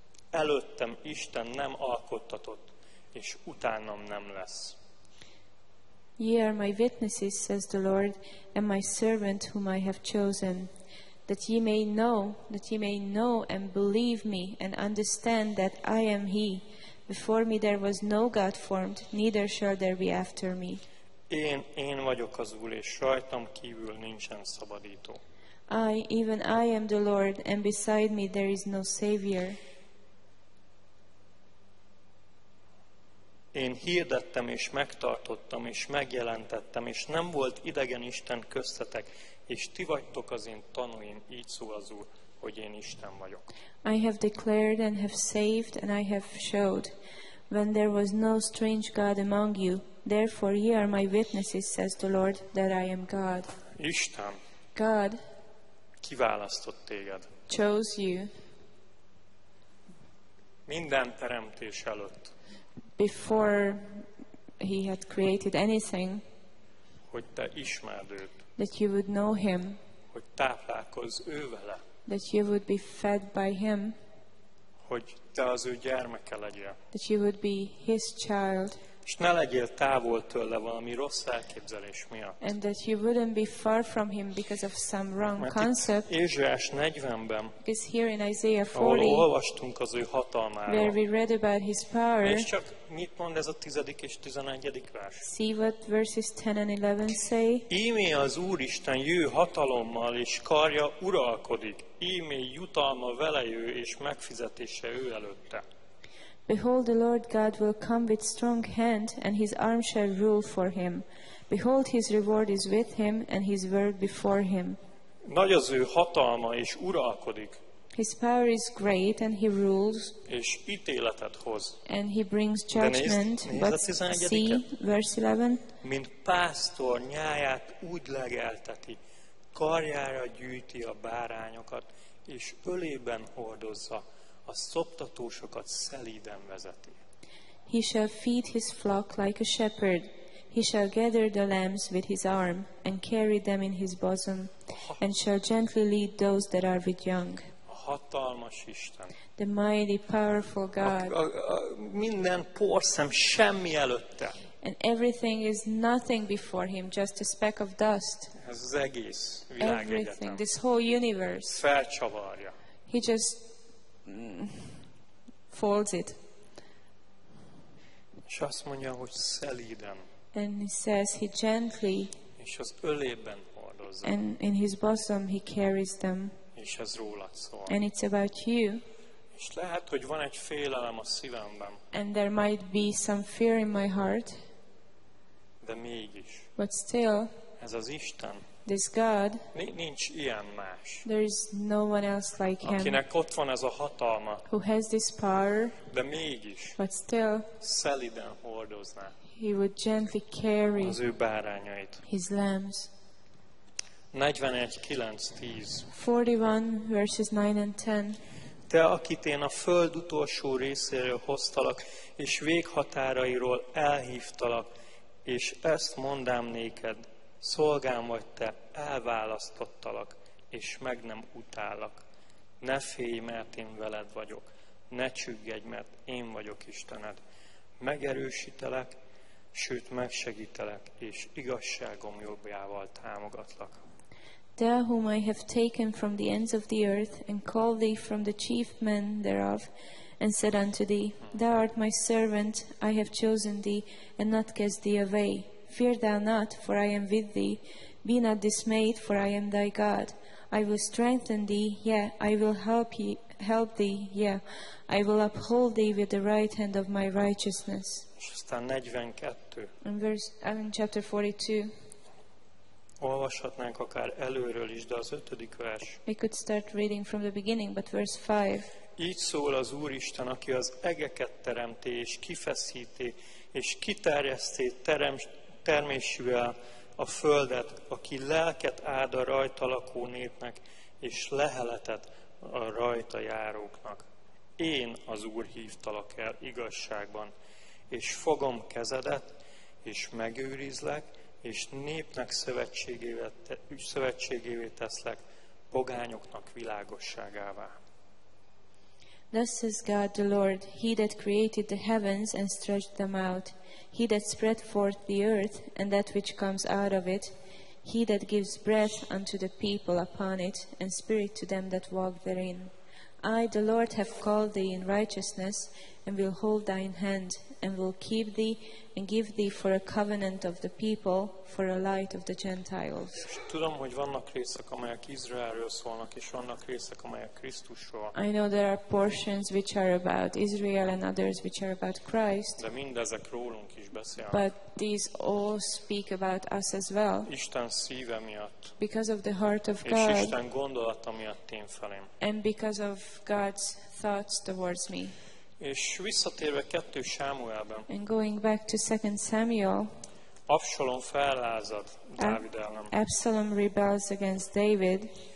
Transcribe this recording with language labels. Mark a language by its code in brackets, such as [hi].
[hu] Előttem Isten nem alkottatott, és utánam nem lesz. [en] Ye are my witnesses, says the Lord, and my servant whom I have chosen, that ye may know and believe me, and understand that I am he. Before me there was no God formed, neither shall there be after me. [hu] Én vagyok az Úr, és rajtam kívül nincsen szabadító. [en] I am the Lord, and beside me there is no Savior. [hu] Én hirdettem, és megtartottam, és megjelentettem, és nem volt idegen Isten köztetek, és ti vagytok az én tanúim, így szól az Úr. Hogy én Isten vagyok. [en] I have declared and have saved and I have showed when there was no strange God among you. Therefore ye are my witnesses, says the Lord, that I am God. [hu] Isten. [en] God. [hu] Kiválasztott téged. [en] Chose you. [hu] Minden teremtés előtt. [en] Before he had created anything. [hu] Hogy te ismerd őt. [en] That you would know him. [hu] Hogy táplálkozz ő vele. [en] That you would be fed by him. [hu] Hogy te az ő gyermeke legyél. [en] That you would be his child. [hu] És ne legyél távol tőle valami rossz elképzelés miatt. [en] And that you wouldn't be far from him because of some wrong concept. [hu] Ézsaiás 40-ben. [en] Because here in Isaiah 40. [hu] Ahol olvastunk az ő hatalmáról. [en] Where we read about his power. [hu] És csak mit mond ez a 10. és 11. vers? [en] See what verses 10 and 11 say. [hu] Íme az Úristen jő hatalommal és karja uralkodik. Íme jutalma vele jő és megfizetése ő előtte. [en] Behold, the Lord God will come with strong hand, and his arm shall rule for him. Behold, his reward is with him, and his word before him. [hu] Nagy az ő hatalma, és uralkodik. [en] His power is great and he rules. [hu] És ítéletet hoz. [en] And he brings judgment. Verse 11. [hu] Mint pásztor nyáját úgy legelteti, karjára gyűjti a bárányokat, és ölében hordozza, a szoptatósokat szelíden vezeti. [en] He shall feed his flock like a shepherd. He shall gather the lambs with his arm and carry them in his bosom and shall gently lead those that are with young. [hu] A hatalmas Isten. [en] The mighty, powerful God. [hu] Minden porszem semmi előtte. [en] And everything is nothing before him, just a speck of dust. [hu] Ez az egész világegyetem. [en] Everything, this whole universe. [hu] Felcsavarja. [en] He just folds it. [hu] És azt mondja, hogy szelíden. [en] And he says he gently. [hu] És az ölében hordozza. [en] And in his bosom he carries them. [hu] És ez rólad szól. [en] And it's about you. [hu] És lehet, hogy van egy félelem a szívemben. [en] And there might be some fear in my heart. [hu] De mégis. [en] But still. [hu] Ez az Isten. [en] This God. [hu] Nincs ilyen más. [en] There is no one else like him. [hu] Akinek ott van ez a hatalma. [en] Who has this power. [hu] De mégis. [en] But still. [hu] Szelíden hordozná. [en] He would gently carry [hu] az ő bárányait. [en] His lambs. [hu] 41:9-10. [en] 41 verses 9 and 10. [hu] Te, akit én a föld utolsó részéről hoztalak, és véghatárairól elhívtalak, és ezt mondám néked, szolgám vagy te, elválasztottalak, és meg nem utállak. Ne félj, mert én veled vagyok. Ne csüggedj, mert én vagyok Istened. Megerősítelek, sőt, megsegítelek, és igazságom jobbjával támogatlak. [en] Thou whom I have taken from the ends of the earth, and called thee from the chief men thereof, and said unto thee, Thou art my servant, I have chosen thee, and not cast thee away. Fear thou not, for I am with thee. Be not dismayed, for I am thy God. I will strengthen thee, yea, I will help thee, yea, I will uphold thee with the right hand of my righteousness. [hu] És aztán 42. [en] In chapter 42. [hu] Olvashatnánk akár előről is, de az ötödik vers. [en] We could start reading from the beginning, but verse 5. [hu] Így szól az Úristen, aki az egeket teremté, és kifeszíté, és kiterjeszté termésűvel a földet, aki lelket áld a rajta lakó népnek, és leheletet a rajta járóknak. Én az Úr hívtalak el igazságban, és fogom kezedet, és megőrizlek, és népnek szövetségévé teszlek, pogányoknak világosságává. [en] Thus says God the Lord, He that created the heavens and stretched them out, He that spread forth the earth and that which comes out of it, He that gives breath unto the people upon it and spirit to them that walk therein. I, the Lord, have called thee in righteousness, and will hold thine hand, and will keep thee, and give thee for a covenant of the people, for a light of the Gentiles. [hu] Tudom, hogy vannak részek, amelyek Izraelről szólnak, és vannak részek, amelyek Krisztusról. [en] I know there are portions which are about Israel and others which are about Christ. [hu] De mindezek rólunk is beszélnek. [en] But these all speak about us as well. [hu] Isten szíve miatt. [en] Because of the heart of [hu] és [en] God. [hu] És Isten gondolata miatt én felém. [en] And because of God's thoughts towards me. [hu] És visszatérve 2 Sámuelben. [en] And going back to 2 Samuel. [hu] Absalom fellázad Dávid ellen. [en] Absalom rebels against David.